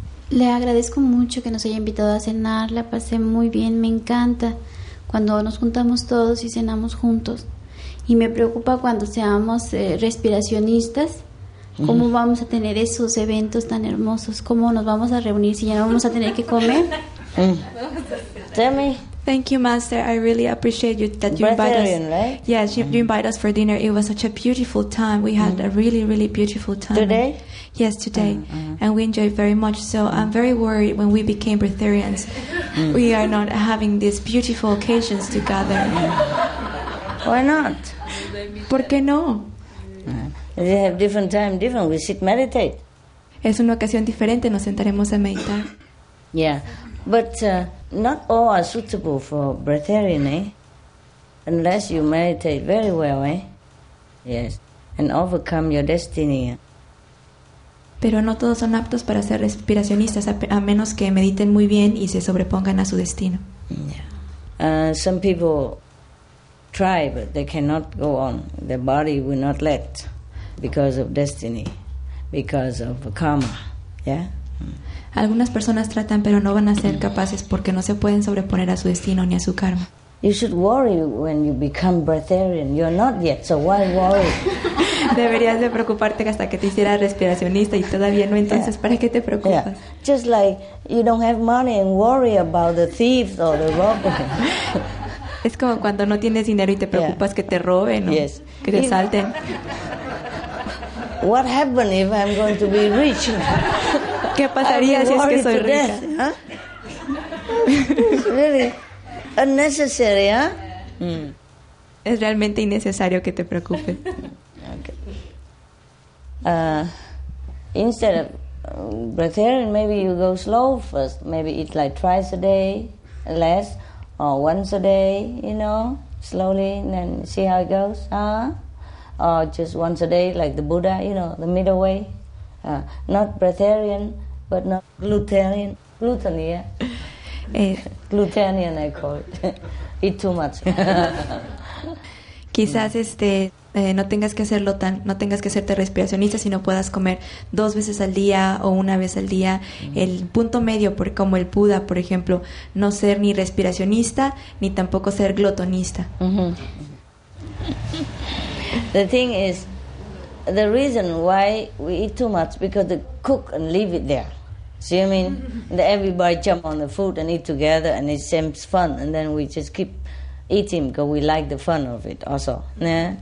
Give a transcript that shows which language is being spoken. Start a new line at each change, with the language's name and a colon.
Spanish: Le agradezco mucho que nos haya invitado a cenar. La pasé muy bien, me encanta. Cuando nos juntamos todos y cenamos juntos. Y me preocupa cuando seamos respiracionistas, ¿cómo vamos a tener esos eventos tan hermosos? ¿Cómo nos vamos a reunir si ya no vamos a tener que comer?
English: Tell me. Thank you, Master. I really appreciate you that you invited us. Breatharian, right? Yes, you invited us for dinner. It was such a beautiful time. We had a really, really beautiful time. Today? Yes, today. And we enjoyed very much. So I'm very worried when we became Breatharians, we are not having these beautiful occasions to gather. Why not?
Spanish: ¿Por qué no?
English: We have different time, different. We sit, meditate.
Spanish: Es una ocasión diferente. Nos sentaremos a meditar.
English: Yeah. But not all are suitable for breatharian, eh? Unless you meditate very well, eh? Yes. And overcome your destiny.
Spanish: Pero no todos son aptos para ser respiracionistas, a menos que mediten muy bien y se sobrepongan a su destino.
English: Yeah. Some people try, but they cannot go on. The body will not let because of destiny, because of karma, yeah?
Spanish: Algunas personas tratan, pero no van a ser capaces porque no se pueden sobreponer a su destino ni a su karma.
English: You should worry when you become breatharian. You're not yet, so why worry?
Spanish: Deberías de preocuparte hasta que te hicieras respiracionista y todavía no, entonces, ¿para qué te preocupas?
English: Yeah. Just like you don't have money and worry about the thief or the robber.
Spanish: Es como cuando no tienes dinero y te preocupas que te roben o que te asalten.
English: What happened if I'm going to be rich?
Spanish: ¿Qué pasaría si es que soy rica?
English: Death, huh? Really unnecessary, huh?
Spanish: Es realmente innecesario que te preocupes.
English: Okay. Instead of breatharian, maybe you go slow first. Maybe eat like twice a day, less, or once a day, you know, slowly, and then see how it goes, huh? Or just once a day, like the Buddha, you know, the middle way. Not breatharian, but not glutarian. Gluten, yeah? Glutarian, I call it. Eat too much.
Spanish: Quizás no tengas que hacerlo tan, no tengas que hacerte respiracionista, sino puedas comer dos veces al día o una vez al día. El punto medio, por, como el Buda, por ejemplo, no ser ni respiracionista, ni tampoco ser glotonista.
English: The thing is, the reason why we eat too much because the cook and leave it there. See what I mean? And everybody jump on the food and eat together and it seems fun. And then we just keep eating because we like the fun of it also. Yeah?